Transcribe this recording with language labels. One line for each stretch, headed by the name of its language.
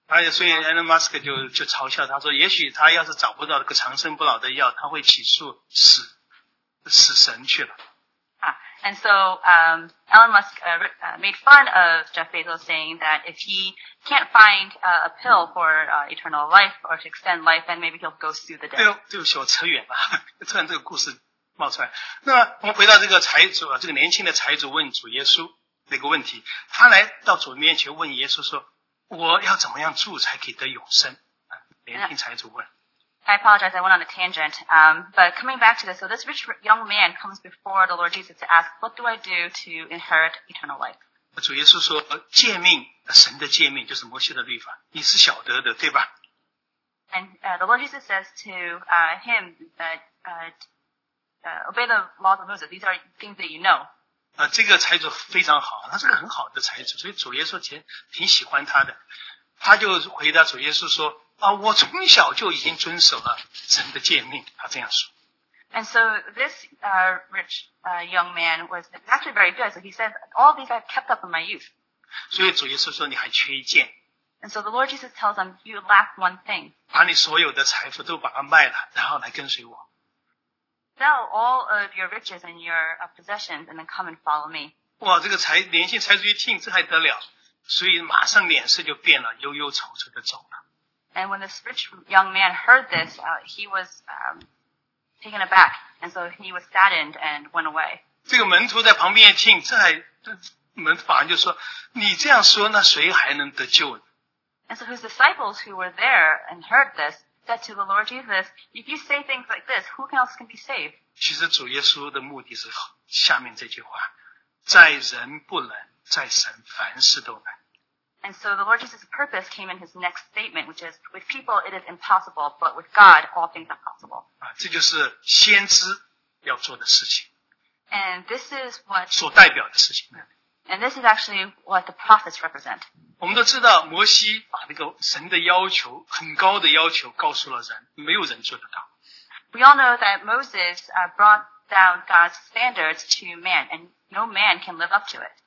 Chinese: 所以 Elon Musk 就嘲笑他说，也许他要是找不到这个长生不老的药，他会起诉死神去了。
English: And so Elon Musk made fun of Jeff Bezos, saying that if he can't find a pill for eternal life or to extend life, then maybe he'll go sue the dead.
Chinese: 对不起，我扯远了，突然这个故事冒出来。那我们回到这个财主，这个年轻的财主问主耶稣那个问题，他来到主面前问耶稣说，我要怎么样住才可以得永生？年轻财主问。
English: I apologize, I went on a tangent. But coming back to this, so this rich young man comes before the Lord Jesus to ask, what do I do to inherit eternal life?
Chinese: 主耶稣说，诫命，神的诫命就是摩西的律法，你是晓得的，对吧？
English: And the Lord Jesus says to him that obey the laws of Moses, these are things that you know.
Chinese: 这个财主非常好，他是个很好的财主，所以主耶稣挺喜欢他的。他就回答主耶稣说，我从小就已经遵守了神的诫命，他这样说。
English: And so this rich young man was actually very good. So he said, all these I've kept up in my youth.
Chinese: 所以主耶稣说你还缺一件。
English: And so the Lord Jesus tells him, you lack one thing.
Chinese: 把你所有的财富都把它卖了，然后来跟随我。
English: Sell all of your riches and your possessions and then come and follow me.
Chinese: 哇，这个年轻财主一听，这还得了？所以马上脸色就变了，忧忧愁愁的走了。
English: And when this rich young man heard this, he was taken aback, and so he was saddened and went away.
Chinese: 这个门徒在旁边听，这还门徒反而就说，你这样说，那谁还能得救呢？
English: And so his disciples who were there and heard this said to the Lord Jesus, if you say things like this, who else can be saved?
Chinese: 其实主耶稣的目的是下面这句话，在人不能，在神凡事都能。
English: And so the Lord Jesus' purpose came in his next statement, which is, with people it is impossible, but with God all things are possible.
Chinese: 这就是先知要做的事情。
English: And this is what
Chinese: 所代表的事情呢?
English: And this is actually what the prophets represent.
Chinese: 我们都知道摩西把那个神的要求很高的要求告诉了人，没有人做得到。
English: We all know that Moses brought down God's standards to man, and no man can live up to it.